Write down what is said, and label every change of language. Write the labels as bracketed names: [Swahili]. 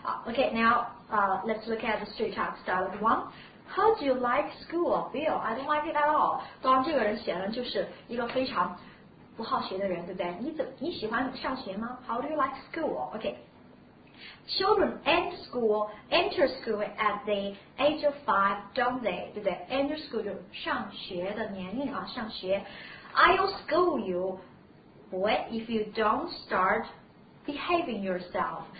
[English] OK，now， let's look at the straight talk style one。 How do you like school, Bill? I don't like it at all。 [Chinese] 当这个人显然就是一个非常不好学的人，对不对？你喜欢上学吗 ？ [English] How do you like school? OK。 Children enter school at the age of 5, don't they? [Chinese] 对不对 ？Enter school 就上学的年龄啊，上学。 [English] I'll school you, boy, if you don't start behaving yourself.